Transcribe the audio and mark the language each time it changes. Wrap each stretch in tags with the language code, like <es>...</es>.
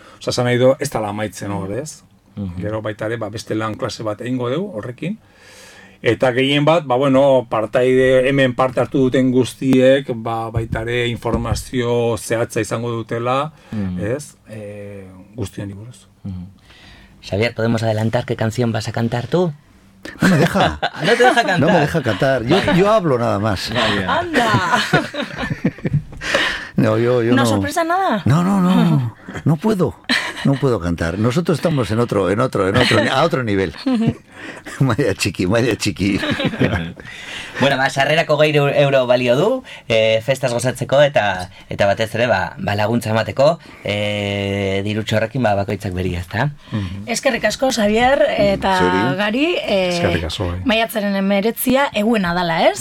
<eu>Osa, zan nahi du, ez tala amaitzen hor, ez? Gero baita ere, ba, beste lan klase bat egingo dugu horrekin. Eta gehien bat, ba, bueno, partaide, hemen parte hartu duten guztiek, ba, baita ere informazio zehatza izango dutela, ez? Guztien diguruz.</eu> <es>Xavier, podemos adelantar, ¿qué canción vas a cantar tú? No me deja. No te deja cantar. No me deja cantar. Yo hablo nada más. ¡Anda! No, yo no. ¿No sorpresa nada? No. No puedo. No puedo cantar. Nosotros estamos en otro, a otro nivel.</es> <eu>Maia txiki. Bueno, ba, sarrerako 20 euro balio du, festas gozatzeko eta batez ere, ba, laguntza emateko, dirutxo horrekin, ba, bakoitzak beria, ezta? Eskerrik asko, Xavier, eta Gari, maiatzaren 19a eguna dala, ez?</eu>